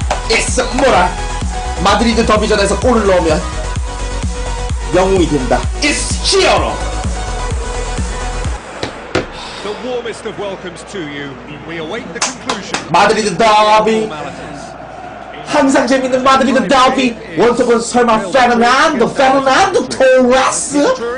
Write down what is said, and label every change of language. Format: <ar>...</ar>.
<ko>있습니다. 마드리드 더비전에서 골을 넣으면 영웅이 된다.</ko> <en>It's hero. The warmest of welcomes to you. We await the conclusion.</en> <ko>마드리드 더비. 항상 재밌는 마드리드 더비 원톱은 설마 페르난도 페르난도 토레스?</ko>